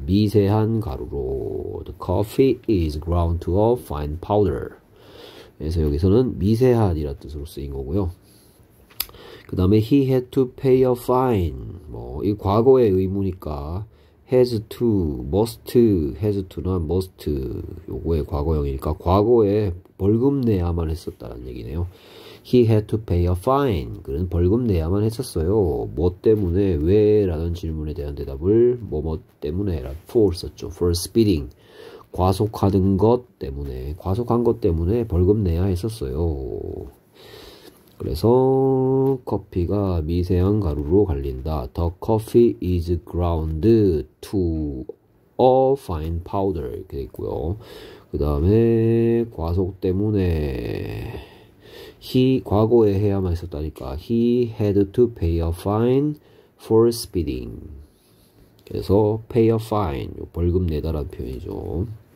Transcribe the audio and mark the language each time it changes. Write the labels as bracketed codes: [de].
[ko] 미세한 가루로. [en] The coffee is ground to a fine powder. [ko] 그래서 여기서는 미세한이라는 뜻으로 쓰인 거고요. 그 다음에 [en] he had to pay a fine. [ko] 뭐, 이 과거의 의무니까 has to, must, has to나 must. 요거의 과거형이니까 과거에 벌금 내야만 했었다는 얘기네요. [en] He had to pay a fine. [ko] 그는 벌금 내야만 했었어요. 뭐 때문에, 왜? 라는 질문에 대한 대답을 뭐뭐 때문에, for 썼죠. [en] For speeding. [ko] 과속하는 것 때문에, 과속한 것 때문에 벌금 내야 했었어요. 그래서 커피가 미세한 가루로 갈린다. [en] The coffee is ground to a fine powder. [ko] 이렇게 돼 있고요. 그 다음에 과속 때문에 He 과거에 해야만 했었다니까. [en] He had to pay a fine for speeding. [ko] 그래서 pay a fine, 벌금 내다란 표현이죠.